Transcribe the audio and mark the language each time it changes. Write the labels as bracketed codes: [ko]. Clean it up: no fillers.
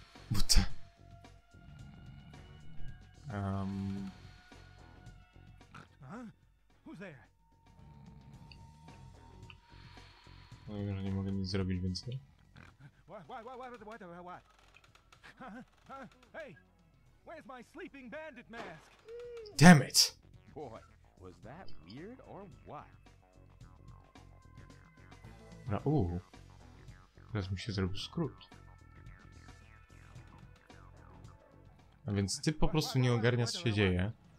[pl] Buta. No wiem, że nie mogę nic zrobić więcej. [en] What? Hey! Where's my sleeping bandit mask? Damn it! Boy, was that weird or what? [pl] No, teraz mi się zrobił skrót. A więc ty po prostu nie ogarniasz, co się dzieje.